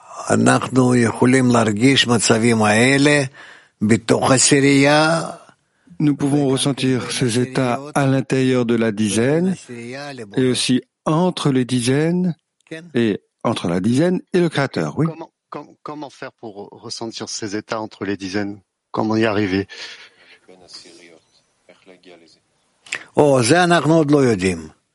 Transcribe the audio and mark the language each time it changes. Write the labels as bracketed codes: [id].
[he] אנחנו יכולים להרגיש מצבים האלה בתוך הסירייה. [fr] Nous pouvons ressentir ces états à l'intérieur de la dizaine et aussi entre les dizaines et entre la dizaine et le créateur, oui. Comment faire pour ressentir ces états entre les dizaines? Comment y arriver? [he] Oh, זה אנחנו עוד לא יודעים.